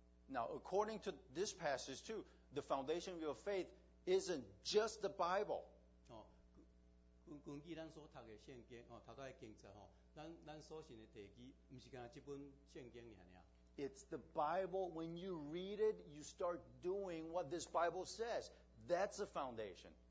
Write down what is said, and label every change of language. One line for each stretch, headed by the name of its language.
English: Now, according to this passage too, the foundation of your faith isn't just the Bible.
Min Nan Chinese: 根据咱所读的圣经，哦，读到的经节，吼，咱所信的地基，唔是干那这本圣经尔尔。
English: It's the Bible. When you read it, you start doing what this Bible says. That's the foundation.